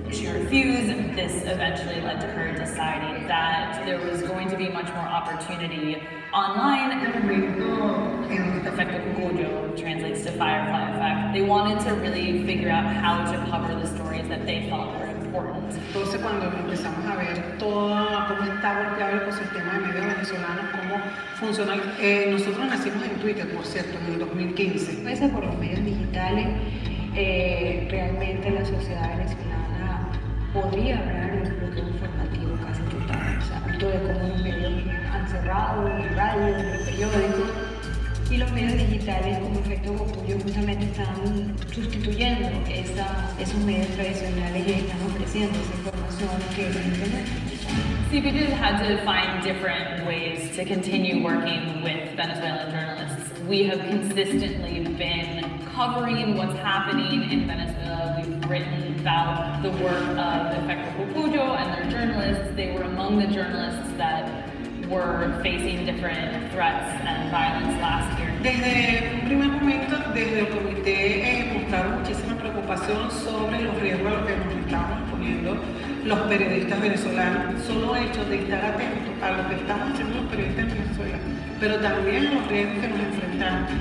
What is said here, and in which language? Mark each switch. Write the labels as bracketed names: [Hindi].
[English] She refused, and this eventually led to her deciding that there was going to be much more opportunity online. The effect of Kukuyo translates to firefly effect. They wanted to really figure out how to cover the stories that they felt were important. [Spanish] Entonces, cuando empezamos a ver todo, cómo está golpeado el ecosistema de medios venezolanos, cómo funciona. Nosotros nacimos en Twitter, por cierto, en el 2015. Gracias por los medios digitales, realmente la sociedad venezolana podría hablar en un bloqueo informativo casi total. O sea, todo es como los medios han cerrado, en radio, en el periódico. Y los medios digitales, como efecto Gopullo, justamente están sustituyendo esos medios tradicionales y están ofreciendo esa información que es internet. [English] CPJ had to find different ways to continue working with Venezuelan journalists. We have consistently been covering what's happening in Venezuela. We've written about the work of Efecto Gopullo and their journalists. They were among the journalists that were facing different threats and violence last year. [Spanish] Desde un primer momento, desde el comité, mostraron muchísima preocupación sobre los riesgos a los que nos estábamos poniendo los periodistas venezolanos. Solo el hecho de estar atentos a lo que estamos haciendo los periodistas en Venezuela, pero también los riesgos que nos enfrentamos.